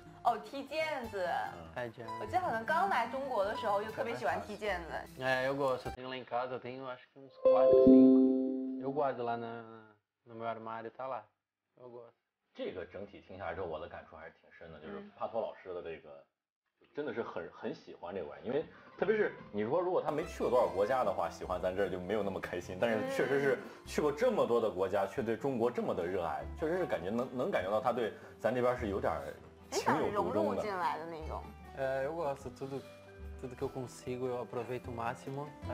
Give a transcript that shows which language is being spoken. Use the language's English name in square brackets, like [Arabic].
[Chinese] 哦，踢毽子，我记得好像刚来中国的时候就特别喜欢踢毽子。 [Portuguese] 哎，eu gosto. Tenho lá em casa, tenho acho que uns 4-5. Eu guardo lá no meu armário, tá lá. Eu gosto. [Chinese] 这个整体听下来之后，我的感触还是挺深的，就是帕托老师的这个，真的是很喜欢这块，因为特别是你说如果他没去过多少国家的话，喜欢咱这儿就没有那么开心。但是确实是去过这么多的国家，却对中国这么的热爱，确实是感觉能感觉到他对咱这边是有点。 [Portuguese] Eu gosto, tudo que eu consigo eu aproveito o máximo.